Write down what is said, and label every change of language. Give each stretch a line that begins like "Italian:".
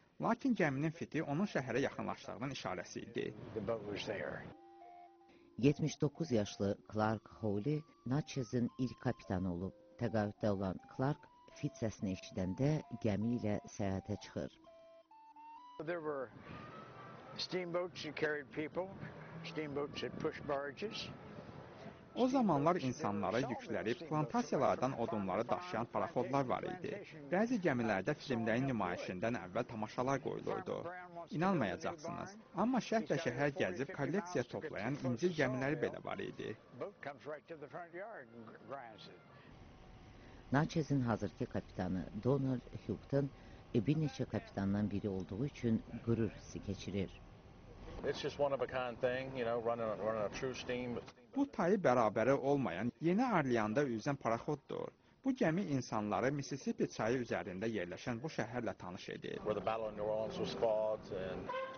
Azerbaijani: Lakin gəminin fiti onun şəhərə yaxınlaşdığının işarəsi idi. 79 yaşlı Clark Hawley Natchez'in ilk kapitanı olub. Təqaüddə olan Clark fit səsini eşidəndə gəmi ilə səyahətə çıxır.
English: There were steamboats that carried people, steamboats that pushed barges.
Azerbaijani: O zamanlar insanlara yükləri plantasiyalardan odunları daşıyan paraxodlar var idi. Bəzi gəmilərdə filmlərin nümayişindən əvvəl tamaşalar qoyulurdu. İnanmayacaqsınız, amma şəhər və şəhər gəzib kolleksiya toplayan incir gəmiləri belə var idi. Natchez'in hazırki kapitanı Donald Houghton bir neçə kapitandan biri olduğu üçün qürur hissi keçirir.
English: It's just one of a kind thing, you know, running a true steam.
Azerbaijani: Bu tayı bərabəri olmayan Yeni Orleanda üzən paraxoddur. Bu gəmi insanları Mississippi çayı üzərində yerləşən bu şəhərlə tanış edir.
English: Where the Battle of New Orleans was fought and